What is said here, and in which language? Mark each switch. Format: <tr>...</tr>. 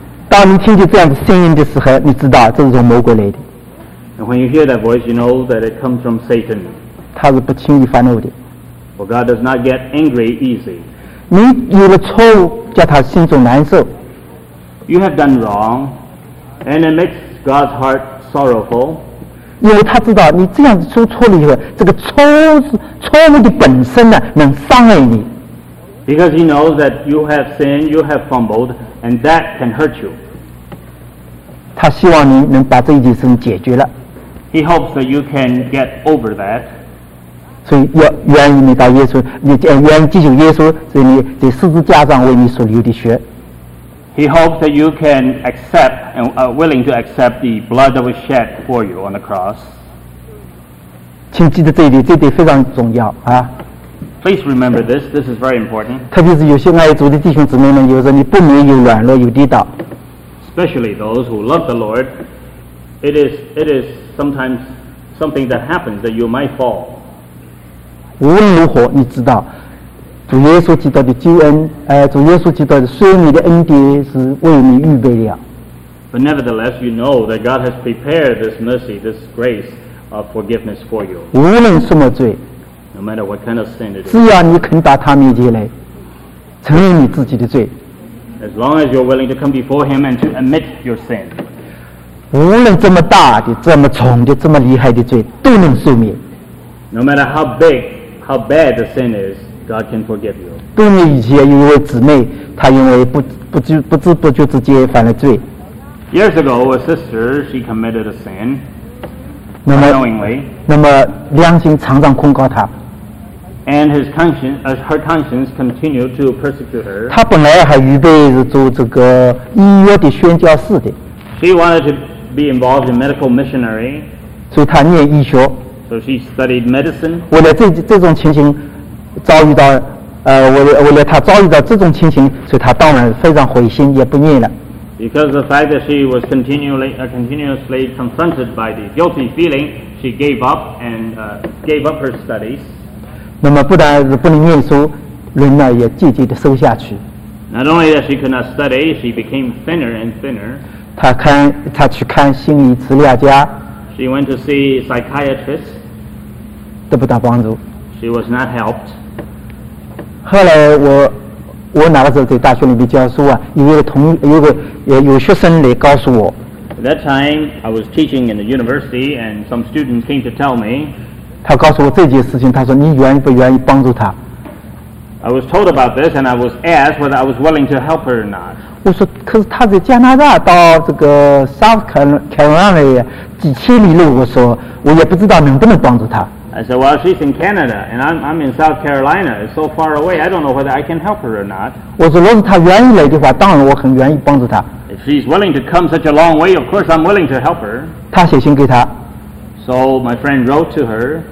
<zh>当你听见这样的声音的时候，你知道这是从魔鬼来的。</zh> <en>And when you hear that voice, you know that it comes from Satan.</en> <zh>他是不轻易发怒的。</zh> <en>Well, God does not get angry easy.</en> <zh>你有了错误，叫他心中难受。</zh> <en>You have done wrong, and it makes God's heart sorrowful.</en> <zh>因为他知道你这样子做错了以后，这个错误的本身呢，能伤害你。</zh> <en>Because he knows that you have sinned, you have fumbled, and that can hurt you.</en> <zh>他希望你能把这一件事解决了。</zh> <en>He hopes that you can get over that.</en> <zh>所以要愿意你到耶稣，你愿意接受耶稣，所以你在十字架上为你所流的血。</zh> <en>He hopes that you can accept and willing to accept the blood that was shed for you on the cross.</en> <zh>请记得这一点，这点非常重要啊。</zh> <en>Please remember this. This is very important.</en> <zh>特别是有些爱主的弟兄姊妹们，有时候你不免有软弱，有跌倒。</zh> <en>Especially those who love the Lord, It is sometimes something that happens that you might fall.</en> <zh>无论如何，你知道主耶稣基督的救恩，主耶稣基督的赦免的恩典是为你预备了。</zh> <en>But nevertheless, you know that God has prepared this mercy, this grace of forgiveness for you.</en> <zh>无论什么罪。</zh> <en>No matter what kind of sin it is.</en> <zh>只要你肯到他面前来，承认你自己的罪。</zh> <en>As long as you're willing to come before Him and to admit your sin.</en> <zh>无论这么大的、这么重的、这么厉害的罪，都能赦免。</zh> <en>No matter how big, how bad the sin is, God can forgive you.</en> <zh>多年以前，有一位姊妹，她因为不知不觉之间犯了罪。</zh> <en>Years ago, a sister, she committed a sin. Unknowingly.</en> <zh>那么良心常常控告她。</zh> <en>And his conscience, her conscience continued to persecute her.</en> <zh>她本来还预备做这个医院的宣教士的。</zh> <en>She wanted to be involved in medical missionary.</en> <zh>所以她念医学。</zh> <en>So she studied medicine.</en> <zh>为了这种情形遭遇到，为了她遭遇到这种情形，所以她当然非常灰心，也不念了。</zh> <en>Because of the fact that she was continuously confronted by the guilty feeling, she gave up her studies.</en> <zh>那么不但是不能念书，人呢也渐渐的瘦下去。</zh> <en>Not only that she could not study, she became thinner and thinner.</en> <zh>她去看心理治疗家。</zh> <en>She went to see a psychiatrist.</en> <zh>得不到帮助。</zh> <en>She was not helped.</en> <zh>后来我那个时候在大学里面教书啊，有学生来告诉我。</zh> <en>At that time, I was teaching in the university, and some students came to tell me.</en> <zh>他告诉我这件事情，他说你愿不愿意帮助他</zh> <en>？I was told about this, and I was asked whether I was willing to help her or not.</en> <zh>我说，可是他在加拿大到这个 South Carolina 几千里路，我说我也不知道能不能帮助他。</zh> <en>I said, well, she's in Canada, and I'm in South Carolina. It's so far away, I don't know whether I can help her or not.</en> <zh>我说，如果她愿意来的话，当然我很愿意帮助她。</zh> <en>If she's willing to come such a long way, of course I'm willing to help her.</en> <zh>她写信给她。</zh> <en>So my friend wrote to her.</en>